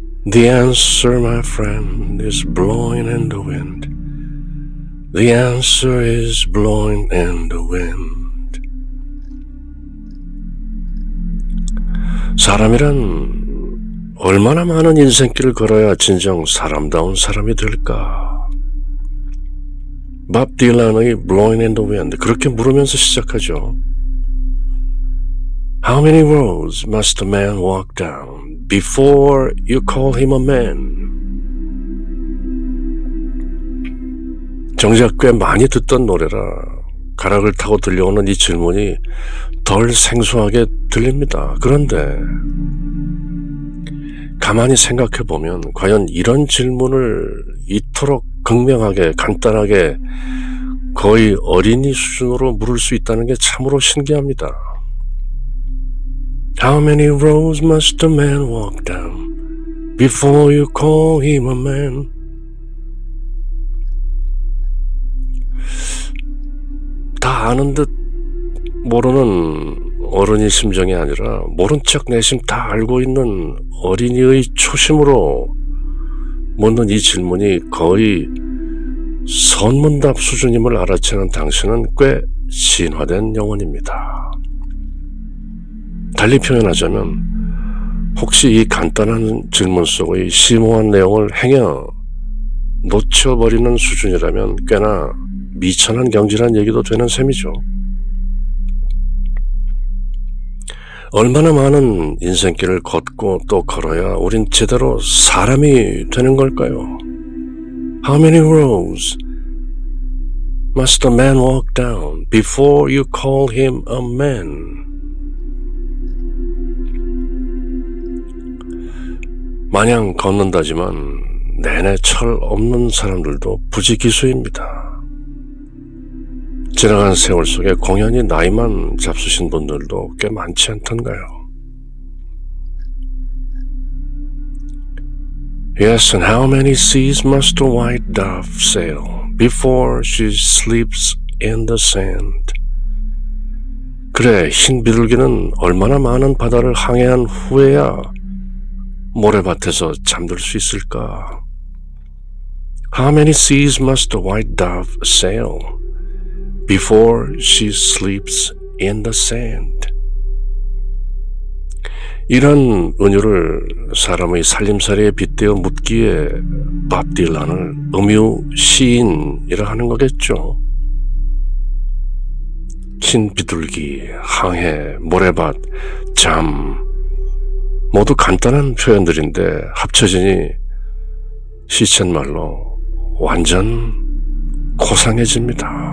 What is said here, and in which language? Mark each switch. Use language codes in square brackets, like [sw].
[en] The answer, my friend, is blowing in the wind. The answer is blowing in the wind. [ko] 사람이란 얼마나 많은 인생길을 걸어야 진정 사람다운 사람이 될까? 밥 딜런의 Blowing in the Wind 그렇게 물으면서 시작하죠. [en] How many roads must a man walk down before you call him a man? [ko] 정작 꽤 많이 듣던 노래라 가락을 타고 들려오는 이 질문이 덜 생소하게 들립니다. 그런데 가만히 생각해 보면 과연 이런 질문을 이토록 극명하게 간단하게 거의 어린이 수준으로 물을 수 있다는 게 참으로 신기합니다. [en] How many roads must a man walk down before you call him a man? [ko] 다 아는 듯 모르는 어른이 심정이 아니라 모른 척 내심 다 알고 있는 어린이의 초심으로 묻는 이 질문이 거의 선문답 수준임을 알아채는 당신은 꽤 진화된 영혼입니다. 달리 표현하자면 혹시 이 간단한 질문 속의 심오한 내용을 행여 놓쳐버리는 수준이라면 꽤나 미천한 경지란 얘기도 되는 셈이죠. 얼마나 많은 인생길을 걷고 또 걸어야 우린 제대로 사람이 되는 걸까요? [en] How many roads must a man walk down before you call him a man? [ko] 마냥 걷는다지만 내내 철 없는 사람들도 부지기수입니다. 지나간 세월 속에 공연히 나이만 잡수신 분들도 꽤 많지 않던가요? [en] Yes, and how many seas must a white dove sail before she sleeps in the sand? [ko] 그래, 흰 비둘기는 얼마나 많은 바다를 항해한 후에야 모래밭에서 잠들 수 있을까? [en] How many seas must a white dove sail before she sleeps in the sand? [ko] 이런 은유를 사람의 살림살이에 빗대어 묻기에 밥 딜런을 음유 시인이라 하는 거겠죠. 흰 비둘기, 항해, 모래밭, 잠 모두 간단한 표현들인데 합쳐지니 시쳇말로 완전 고상해집니다.